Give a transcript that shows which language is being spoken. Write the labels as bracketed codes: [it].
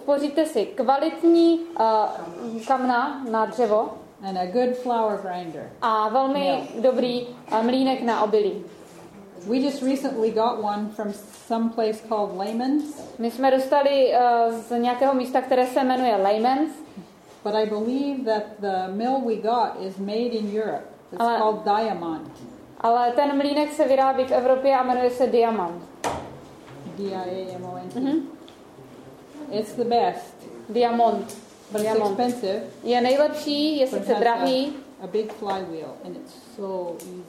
[cs] pořiďte si kvalitní kamna na dřevo [en] and a good flour grinder, [cs] a velmi dobrý mlýnek na obilí. [en] We just recently got one from some place called Lehman's. [cs] My jsme dostali z nějakého místa, které se jmenuje Lehman's. [en] But I believe that the mill we got is made in Europe. It's called Diamant. [cs] Ale ten mlýnek se vyrábí v Evropě a jmenuje se Diamant. [en] Diamant. It's the best. [cs] Diamant. [en] But it's expensive. [cs] Je nejlepší, je sice drahý. [en] A big flywheel and it's so easy.